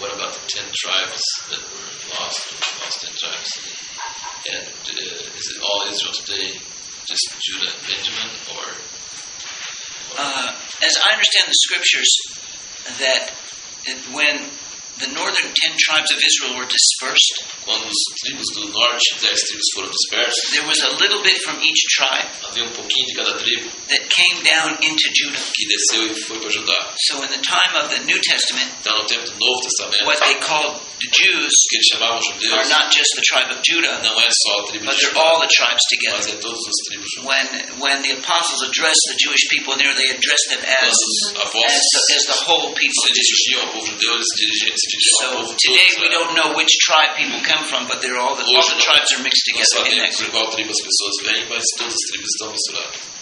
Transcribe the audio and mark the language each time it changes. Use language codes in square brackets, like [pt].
[en] What about the 10 tribes that were lost 10 tribes? And is it all Israel today, just Judah and Benjamin, or? As I understand the scriptures, that when the northern 10 tribes of Israel were dispersed, [pt] quando os tribos do norte, 10 tribos foram dispersas, [en] there was a little bit from each tribe, [pt] havia pouquinho de cada tribo, [en] that came down into Judah, [pt] que desceu e foi para Judá. [en] So in the time of the New Testament, [pt] então, no tempo do Novo Testamento, [en] what they called the Jews, [pt] que eles chamavam judeus, [en] are not just the tribe of Judah, [pt] não é só a tribo, [en] but they're all the tribes together. [pt] Mas é todos os tribos. [en] When the apostles addressed the Jewish people there, they addressed them as the whole people. [pt] Se dirigiam ao povo judeu, eles [en] So today we don't know which tribe people come from, but they're all [pt] hoje, [en] all the tribes are mixed together in that. [pt] Por qual tribo as pessoas vêm, mas todas as tribos estão misturadas.